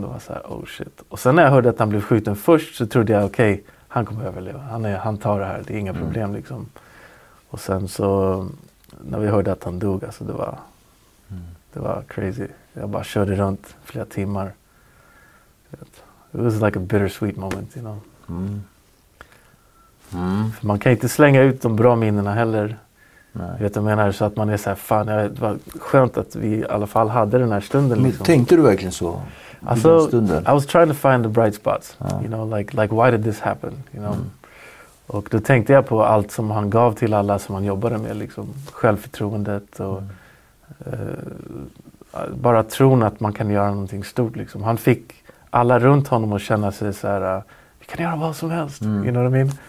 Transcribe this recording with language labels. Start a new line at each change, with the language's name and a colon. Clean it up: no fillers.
Swedish: Det var så här,
English: oh shit.
Swedish: Och sen när jag hörde att han blev skjuten först så trodde jag, okej, han kommer överleva. Han tar det här, det är inga problem liksom. Och sen så, när vi hörde att han dog, alltså det var crazy. Jag bara körde runt flera timmar.
English: It was like a bittersweet moment, you know. Mm. Mm.
Swedish: För man kan inte slänga ut de bra minnena heller. Nej. Vet du vad jag menar? Så att man är så här, fan, det var skönt att vi i alla fall hade den här stunden. Liksom. Men tänkte du verkligen så?
English: Alltså, I was trying to find the bright spots. Ja. You know, like why did this happen? You know? Mm.
Swedish: Och då tänkte jag på allt som han gav till alla som han jobbade med. Liksom. Självförtroendet och... bara tron att man kan göra någonting stort. Liksom. Han fick... alla runt honom och känna sig så här, vi kan göra vad som helst,
English: you know what I mean?